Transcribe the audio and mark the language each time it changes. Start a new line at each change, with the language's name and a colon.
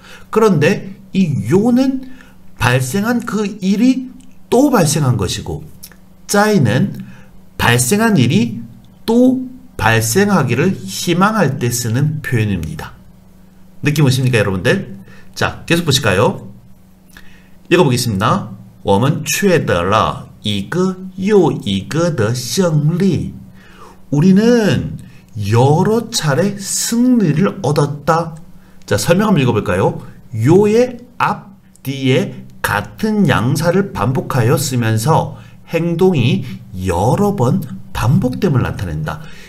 Korean: 그런데 이 요는 발생한 그 일이 또 발생한 것이고 짜이는 발생한 일이 또 발생하기를 희망할 때 쓰는 표현입니다. 느낌 오십니까 여러분들? 자, 계속 보실까요? 읽어보겠습니다.
Chinese: 我们取得了 一个又一个的胜利.
Korean: 우리는 여러 차례 승리를 얻었다. 자, 설명 한번 읽어볼까요? 요의 앞, 뒤에 같은 양사를 반복하여 쓰면서 행동이 여러 번 반복됨을 나타낸다.